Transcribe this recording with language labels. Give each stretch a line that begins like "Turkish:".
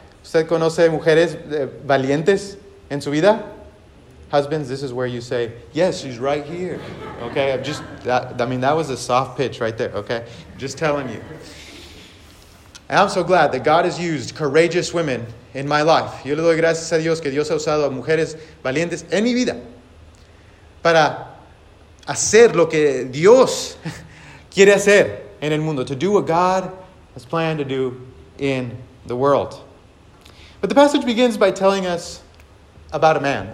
Spanish: ¿Usted conoce mujeres valientes en su vida?
English: Husbands, this is where you say, yes, she's right here. Okay, that was a soft pitch right there, okay? Just telling you. And I'm so glad that God has used courageous women in my life.
Spanish: Yo le doy gracias a Dios que Dios ha usado a mujeres valientes en mi vida para hacer lo que Dios quiere hacer en el mundo.
English: To do what God has planned to do in the world. But the passage begins by telling us about a man.